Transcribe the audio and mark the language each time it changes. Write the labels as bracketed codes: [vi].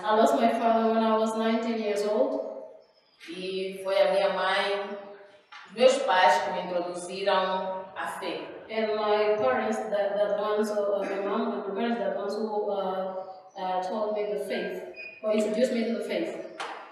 [en] I lost my father when I was 19 years old. [pt] E foi a minha mãe, meus pais que me introduziram à fé. [en] And my parents, my mom and my parents, who introduced me to the faith.